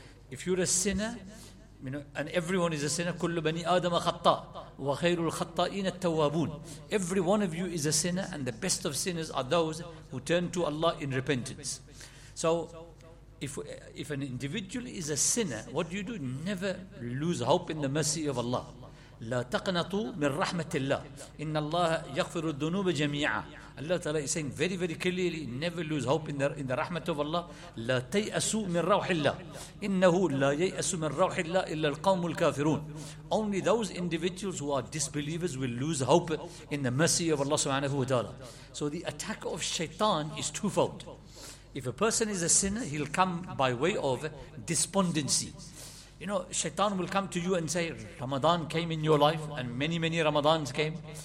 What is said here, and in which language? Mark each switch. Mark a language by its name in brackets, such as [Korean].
[English] If you're a sinner, and everyone is a sinner, [Arabic] كل بني آدم خطاء وخير الخطائين التوابون. [English] Every one of you is a sinner, and the best of sinners are those who turn to Allah in repentance. So, if an individual is a sinner, what do you do? Never lose hope in the mercy of Allah. [Arabic] لا تقنطوا من رحمة الله. إن الله يغفر الذنوب جميعا. [English] Allah Ta'ala is saying very, very clearly, never lose hope in the rahmat of Allah. [Arabic] لا تيأسوا من روح الله. إنه لا ييأس من روح الله إلا القوم الكافرون. [English] Only those individuals who are disbelievers will lose hope in the mercy of Allah Subhanahu wa Ta'ala. So the attack of shaitan is twofold. If a person is a sinner, he'll come by way of despondency. You know, shaitan will come to you and say, Ramadan came in your life and many, many Ramadans came.